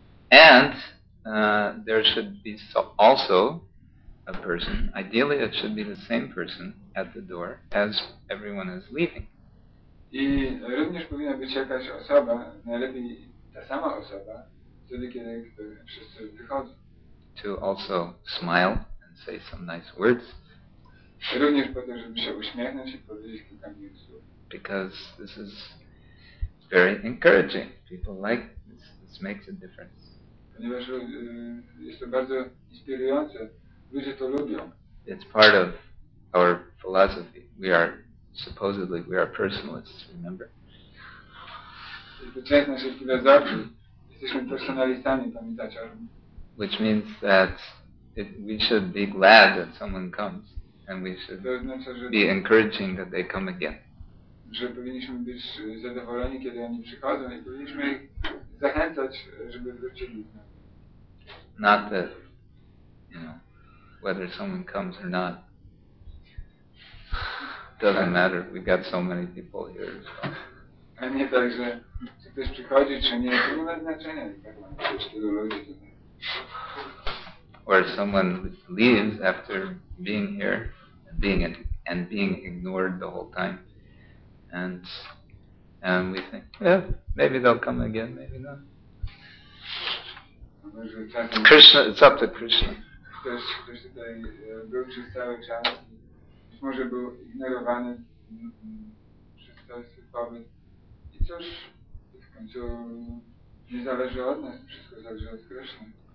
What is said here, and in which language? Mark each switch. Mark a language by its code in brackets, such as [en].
[en] And there should be also a person, ideally it should be the same person at the door as everyone is leaving. [pl] I również powinna być jakaś osoba, najlepiej ta sama osoba, wtedy kiedy wszyscy wychodzą. [en] To also smile and say some nice words. [pl] Również po to, żeby się uśmiechnąć i powiedzieć kilka miłych słów. [en] Because this is very encouraging. People like this. This makes a difference. [pl] Ponieważ jest to bardzo inspirujące. Ludzie to lubią. [en] It's part of our philosophy. We are, supposedly, we are personalists, remember? [pl] Jest to część naszej filozofii. Jesteśmy personalistami, pamiętacie? [en] Which means that we should be glad that someone comes. And we should be encouraging that they come again. [pl] Że powinniśmy być zadowoleni, kiedy oni przychodzą i powinniśmy ich zachęcać, żeby wrócili. [en] Not that, you know, whether someone comes or not. Doesn't matter, we've got so many people here. So. [pl] A nie tak, że czy ktoś przychodzi, czy nie, to nie ma znaczenia. Tak mam, tylu ludzi tutaj. [en] Or someone leaves after being here and being ignored the whole time. And we think, yeah, maybe they'll come again, maybe not. Krishna, it's up to Krishna. [pl] Ktoś tutaj był przez cały czas, być może był ignorowany przez cały swój pobyt. I cóż, w końcu nie zależy od nas, wszystko zależy od Krishna.